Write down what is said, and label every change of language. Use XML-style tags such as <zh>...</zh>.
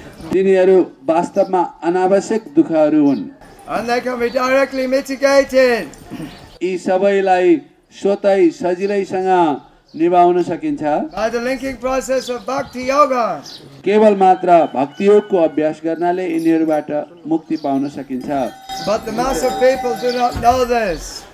<ne>तिनीहरू वास्तवमा अनावश्यक दुःखहरू हुन्.</ne> <en>And they can be directly mitigated.</en> <ne>यी सबैलाई स्वतै सजिलैसँग निभाउन सकिन्छ.</ne> <en>By the linking process of bhakti yoga.</en> <ne>केवल मात्र भक्ति योगको अभ्यास गर्नाले यिनीहरूबाट मुक्ति पाउन सकिन्छ.</ne> <en>But the mass of people do not know this.</en>